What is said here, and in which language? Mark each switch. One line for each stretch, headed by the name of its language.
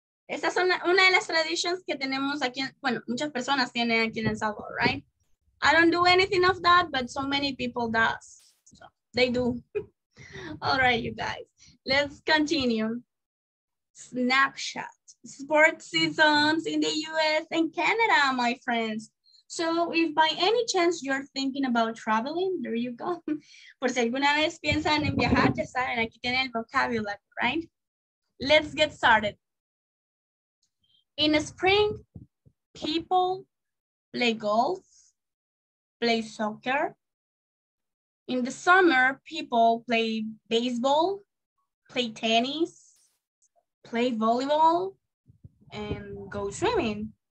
Spanish: Esas son una de las traditions que tenemos aquí. Bueno, muchas personas tienen aquí en El Salvador, right?
English: I don't do anything of that, but so many people does. So they do. All right, you guys, let's continue. Snapshot, sports seasons in the US and Canada, my friends. So if by any chance you're thinking about traveling, there you go.
Spanish: Por si alguna vez piensan en viajar, ya saben, aquí tienen el vocabulary, right?
English: Let's get started. In the spring, people play golf, play soccer. In the summer, people play baseball, play tennis, play volleyball, and go swimming.